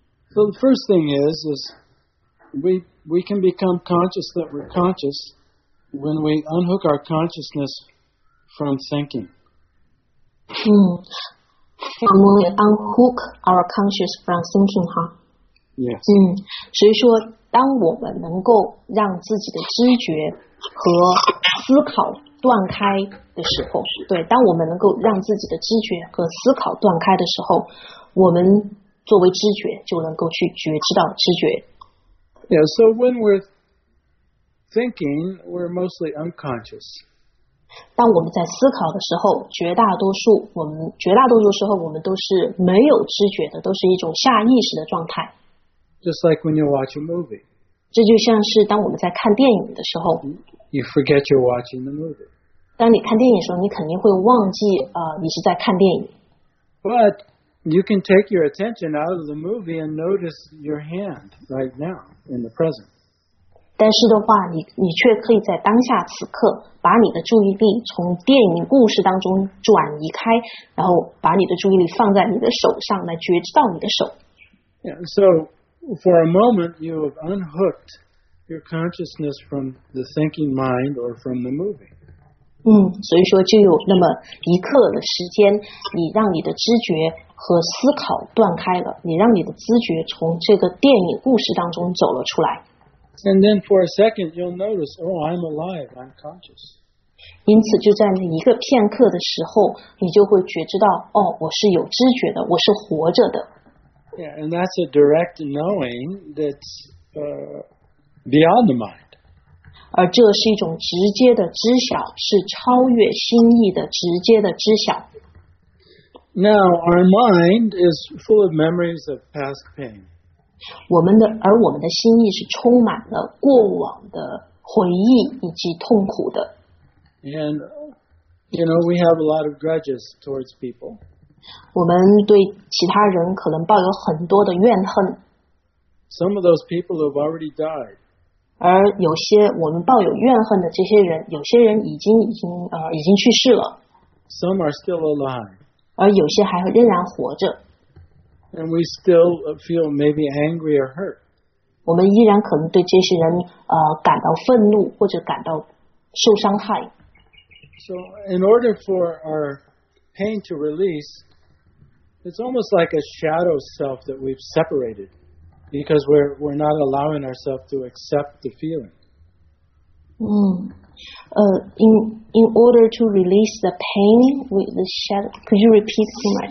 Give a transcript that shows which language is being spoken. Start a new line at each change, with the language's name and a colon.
English: So the first thing is we can become conscious that we're conscious when we unhook our consciousness. From thinking. When we unhook our conscious from thinking, huh? Yes.
Chinese: 所以说，当我们能够让自己的知觉和思考断开的时候，对，当我们能够让自己的知觉和思考断开的时候，我们作为知觉就能够去觉知到知觉。
English: Yeah, so when we're thinking, we're mostly unconscious.
Chinese: 当我们在思考的时候，绝大多数时候我们都是没有知觉的，都是一种下意识的状态。
English: Just like when you watch a movie.
Chinese: 这就像是当我们在看电影的时候。
English: You forget you're watching the movie.
Chinese: 当你看电影的时候，你肯定会忘记你是在看电影。
English: But you can take your attention out of the movie and notice your hand right now in the present.
Chinese: 但是的话 你却可以在当下此刻把你的注意力从电影故事当中转移开，然后把你的注意力放在你的手上，来觉知到你的手。
English: Yeah, so for a moment you have unhooked your consciousness from the thinking mind or from the movie.
Chinese: 所以说就有那么一刻的时间，你让你的知觉和思考断开了，你让你的知觉从这个电影故事当中走了出来。
English: And then for a second, you'll notice, oh, I'm alive, I'm conscious.
Chinese: 因此就在那一个片刻的时候，你就会觉知到，哦，我是有知觉的，我是活着的。
English: Yeah, and that's a direct knowing that's beyond the mind.
Chinese: 而这是一种直接的知晓，是超越心意的直接的知晓。
English: Now, our mind is full of memories of past pain.
Chinese: 而我们的心意是充满了过往的回忆以及痛苦的。
English: And, you know, we have a lot of grudges towards people.
Chinese: 我们对其他人可能抱有很多的怨恨。
English: Some of those people have already died.
Chinese: 而有些我们抱有怨恨的这些人，有些人已经去世了。
English: Some are still alive.
Chinese: 而有些还仍然活着。
English: And we still feel maybe angry or hurt.
Chinese: 我们依然可能对这些人感到愤怒或者感到受伤害。
English: So in order for our pain to release, it's almost like a shadow self that we've separated because we're not allowing ourselves to accept the feeling. In order to release the pain with the shadow, could you repeat too much?